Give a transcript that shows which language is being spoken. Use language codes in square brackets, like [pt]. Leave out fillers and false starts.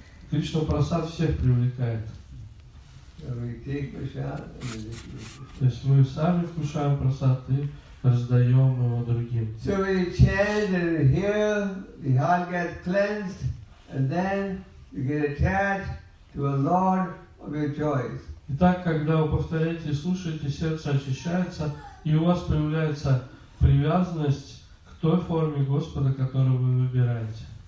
[ru] Кришна просад всех привлекает. То есть мы сами вкушаем просад и раздаем его другим. [en] So we chant and hear, the heart gets cleansed, and then you get attached to a Lord of your choice. [ru] Итак, когда вы повторяете и слушаете, сердце очищается, и у вас появляется привязанность к той форме Господа, которую вы выбираете.